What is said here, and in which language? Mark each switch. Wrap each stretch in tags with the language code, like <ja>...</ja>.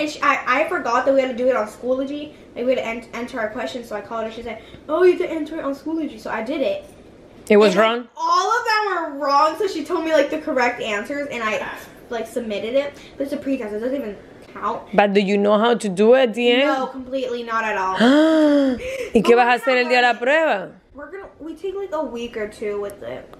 <en>And I forgot that we had to do it on Schoology. Like, we had to enter our questions. So, I called her. She said, oh, you have to enter it on Schoology. So, I did it. It was wrong? Like, all of them were wrong. So, she told me, like, the correct answers. And I, like, submitted it. But it's a pretest. It doesn't even... out. But do you know how to do it at the end? No, completely not at all.</en> <es>¿Y qué vas a hacer el día de la prueba?</es> <en>We take like a week or two with it.</en>